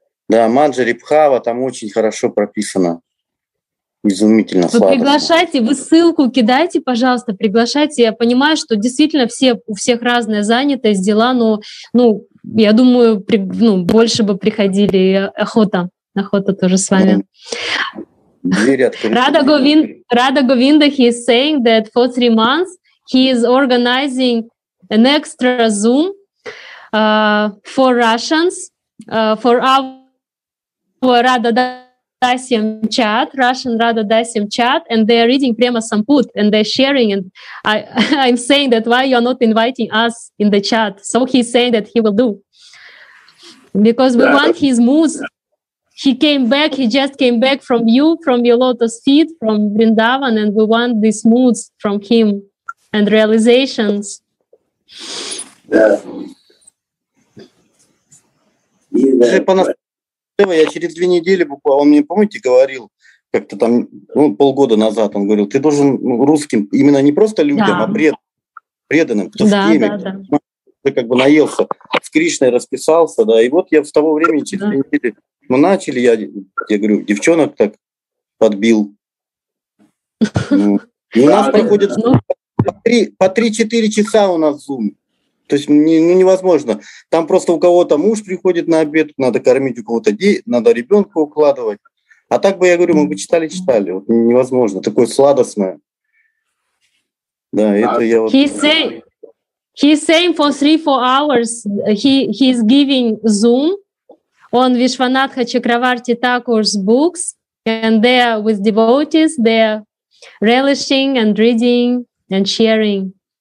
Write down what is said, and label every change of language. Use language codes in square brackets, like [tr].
[ru] Да, Маджари Пхава, там очень хорошо прописано. Изумительно. Вы приглашайте, вы ссылку кидайте, пожалуйста, приглашайте. Я понимаю, что действительно все, у всех разная занятость, дела, но ну, я думаю, при, ну, больше бы приходили. Охота. Охота тоже с вами. [en] Рада Говинда, he is saying that for 3 months he is organizing an extra Zoom for Russians, for our Rada Dasyam chat, Russian Rada Dasyam chat, and they are reading Prema Samput and they're sharing, and I'm saying that why you're not inviting us in the chat. So he's saying that he will do. Because we want his moves. He came back, he just came back from you, from your lotus feet, from Vrindavan, and we want these moods from him and realizations. [ru] Я через 2 недели буквально, он мне, помните, говорил, как-то там, ну, полгода назад он говорил, ты должен русским, именно не просто людям, а преданным, кто в теме. Ты как бы наелся, с Кришной расписался, да, и вот я с того времени через 2 недели... Мы начали, я говорю, девчонок так подбил. И у нас проходит по 3-4 часа у нас Zoom. То есть не, ну, невозможно. Там просто у кого-то муж приходит на обед, надо кормить у кого-то детей, надо ребенка укладывать. А так бы, я говорю, мы бы читали. Вот невозможно. Такое сладостное. Да, это я вот... [en] He's saying for 3-4 hours he's giving Zoom on Vishwanatha Chakravarti Thakur's books, and they are with devotees, they are relishing and reading and sharing.